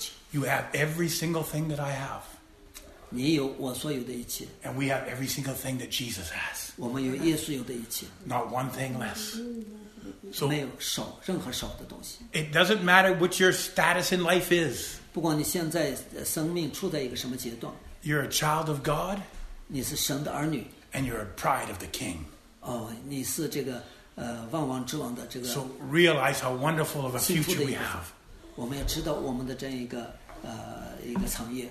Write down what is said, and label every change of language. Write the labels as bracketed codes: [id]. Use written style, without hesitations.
[en] You have every single thing that I have. And we have every single thing that Jesus has. Not one thing less. So, it doesn't matter what your status in life is. [zh] 不管你现在生命处在一个什么阶段 [en] You're a child of God [zh] 你是神的儿女 [en] And you're a bride of the King [zh] 哦，你是这个万王之王的这个 [en] So realize how wonderful of a future we have [zh] 我们要知道我们的这样一个一个产业